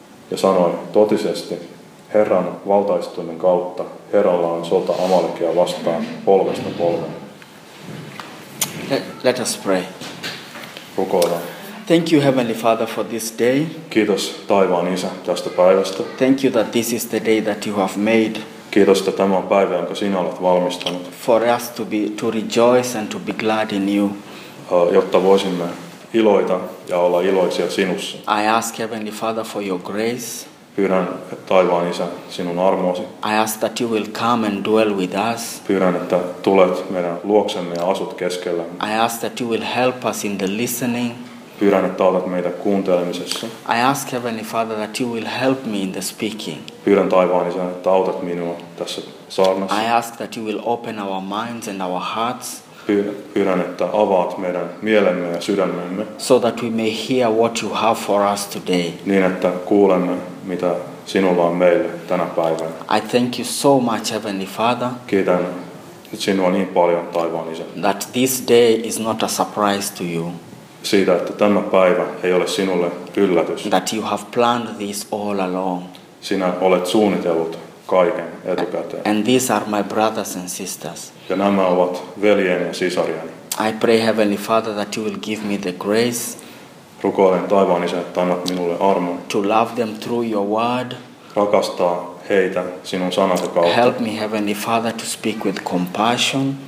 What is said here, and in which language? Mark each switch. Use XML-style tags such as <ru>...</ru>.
<fi>Ja sanoi totisesti, Herran valtaistuimen kautta Herralla on sota Amalekia vastaan polvesta polveen.</fi> <en>Let us pray.</en> <fi>Rukoillaan.</fi> <en>Thank you, Heavenly Father, for this day.</en> <fi>Kiitos taivaan Isä tästä päivästä.</fi> <en>Thank you that this is the day that you have made.</en> <fi>Kiitos, että tämä on päivä, jonka sinä olet valmistanut.</fi> <en>For us to rejoice and to be glad in you.</en> <fi>Jotta voisimme iloita ja olla iloisia sinussa.</fi> <en>I ask Heavenly Father for your grace.</en> <fi>Pyydän taivaan Isä sinun armoasi.</fi> <en>I ask that you will come and dwell with us.</en> <fi>Pyydän, että tulet meidän luoksemme ja asut keskellä.</fi> <en>I ask that you will help us in the listening.</en> <fi>Pyydän, että autat meitä kuuntelemisessa.</fi> <en>I ask Heavenly Father that you will help me in the speaking.</en> <fi>Pyydän taivaan Isä, että autat minua tässä saarnassa.</fi> <en>I ask that you will open our minds and our hearts.</en> <fi>Pyydän, että avaat meidän mielemme ja sydämemme.</fi> <en>So that we may hear what you have for us today.</en> <fi>Niin, että kuulemme, mitä sinulla on meille tänä päivänä.</fi> <en>I thank you so much, Heavenly Father.</en> <fi>Kiitän sinua niin paljon, taivaan Isä.</fi> <en>That this day is not a surprise to you.</en> <fi>Siitä, että tämä päivä ei ole sinulle yllätys.</fi> <en>That you have planned this all along.</en> <fi>Sinä olet suunnitellut kaiken etukäteen.</fi> <en>And these are my brothers and sisters.</en> <fi>Ja nämä ovat veljeni ja sisarieni.</fi> <en>I pray, Heavenly Father, that you will give me the grace.</en> <fi>Rukoilen taivaan Isä, että annat minulle armon.</fi> <en>To love them through your word.</en> <fi>Rakastaa heitä sinun sanasi kautta.</fi> <en>Help me, Heavenly Father, to speak with compassion.</en>